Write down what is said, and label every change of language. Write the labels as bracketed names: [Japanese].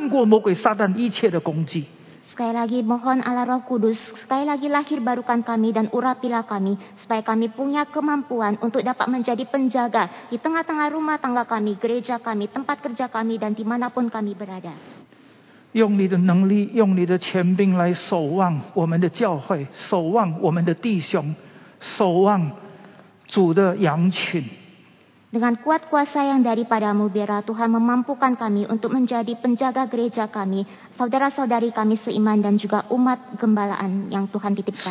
[Chinese] 亲爱的圣灵，你重生我们以后，然后你恩膏我们，让我们成为有能力、有权柄，能够为主做见证，能够守望，在这个时代，在我们的家，在我们的教会，在我们工作的地方，有能力、有权柄来守望，胜过魔鬼撒旦一切的攻击。 [Indonesian] Sekali lagi mohon Allah Roh Kudus, sekali lagi lahir barukan kami dan urapilah kami supaya kami punya kemampuan untuk dapat menjadi penjaga di tengah-tengah rumah tangga kami, gereja kami, tempat kerja kami dan dimanapun kami berada. [Chinese] 用你的能力，用你的权柄来守望我们的教会，守望我们的弟兄，守望主的羊群。 [Indonesian] Dengan kuat kuasa yang daripadamu, biarlah Tuhan memampukan kami untuk menjadi penjaga gereja kami, saudara-saudari kami seiman dan juga umat gembalaan yang Tuhan titipkan.